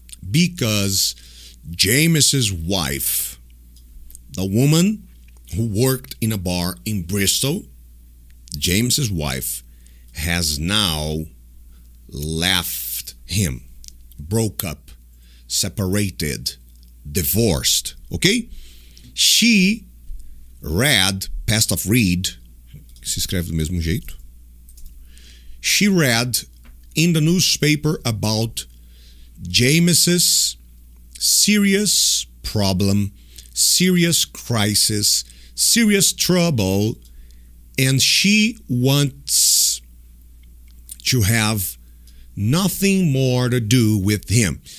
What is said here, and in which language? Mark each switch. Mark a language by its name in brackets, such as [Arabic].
[English] Because James's wife, the woman who worked in a bar in Bristol, James's wife, has now left him. Broke up. Separated. Divorced. Okay? She read, past of read, [Portuguese] se escreve do mesmo jeito. [English] She read in the newspaper about James's serious problem, serious crisis, serious trouble, and she wants to have nothing more to do with him.